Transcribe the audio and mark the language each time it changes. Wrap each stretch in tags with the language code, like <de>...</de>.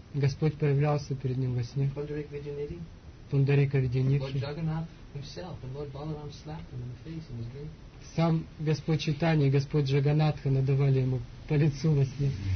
<ru>Господь появлялся перед ним во сне. Пундарика Видянихи.</ru> <en>Lord Jagannath himself and Lord Balaram slapped him in the face in his dream.</en> <ru>Сам Господь Читания и Господь Джаганнатха надавали ему по лицу во сне.</ru>